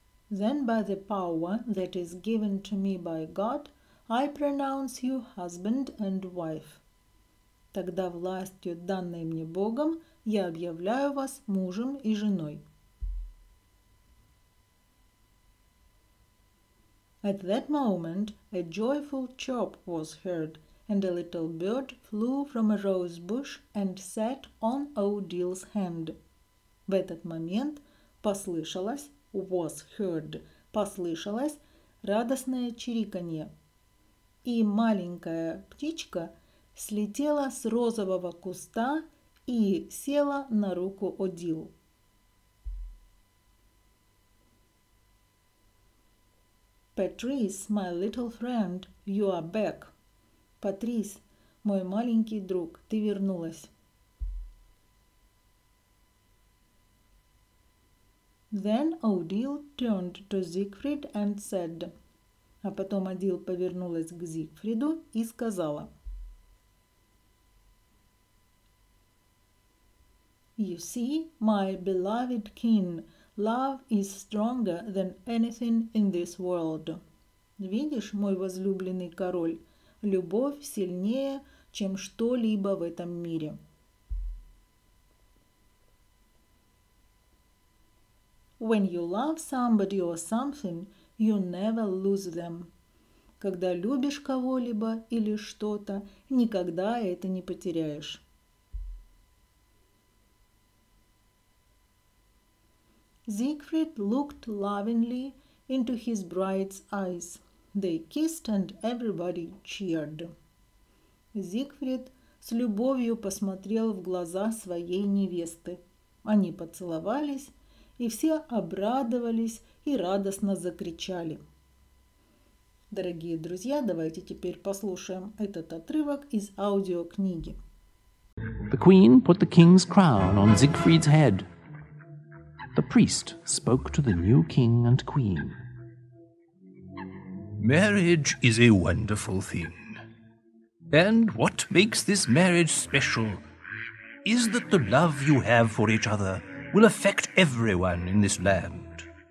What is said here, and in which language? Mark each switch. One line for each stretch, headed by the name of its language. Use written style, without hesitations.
English: Then by the power that is given to me by God, I pronounce you husband and wife.
Russian: Тогда властью, данной мне Богом, я объявляю вас мужем и женой.
English: At that moment a joyful chirp was heard, and a little bird flew from a rose bush and sat on Odile's hand.
Russian: В этот момент послышалось,
English: was heard,
Russian: послышалось радостное чириканье. И маленькая птичка слетела с розового куста и села на руку Одил.
English: Patrice, my little friend, you are back.
Russian: Патрис, мой маленький друг, ты вернулась.
English: Then Odile turned to Siegfried and said.
Russian: А потом Одил повернулась к Зигфриду и сказала.
English: You see, my beloved king, love is stronger than anything in this world.
Russian: Видишь, мой возлюбленный король, любовь сильнее, чем что-либо в этом мире.
English: When you love somebody or something, you never lose them.
Russian: когда любишь кого-либо или что-то, никогда это не потеряешь.
English: Zigfried looked lovingly into his bride's eyes. They kissed and everybody cheered.
Russian: Зигфрид с любовью посмотрел в глаза своей невесты. Они поцеловались, и все обрадовались и радостно закричали. Дорогие друзья, давайте теперь послушаем этот отрывок из аудиокниги.
English: The queen put the king's crown on Siegfried's head. The priest spoke to the new king and queen. Marriage is a wonderful thing. And what makes this marriage special is that the love you have for each other will affect everyone in this land.